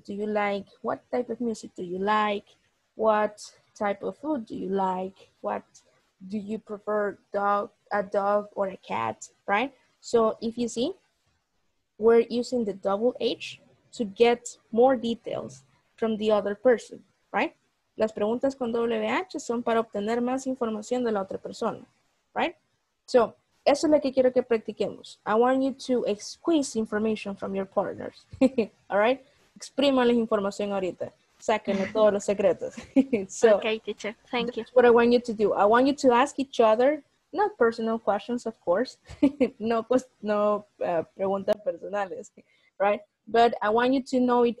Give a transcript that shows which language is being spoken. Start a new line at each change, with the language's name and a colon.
English: Do you like, what type of music do you like? What type of food do you like? What do you prefer, a dog or a cat, right? So if you see, we're using the double H to get more details from the other person, right?
Spanish: Las preguntas con doble H son para obtener más información de la otra persona, right? So, eso es lo que quiero que practiquemos.
English: I want you to squeeze information from your partners, all right?
Spanish: Exprímanles información ahorita. Sáquenle todos los secretos.
English: So, okay, teacher, thank you. That's what I want you to do. I want you to ask each other, not personal questions, of course.
Spanish: preguntas personales, right?
English: But I want you to know it.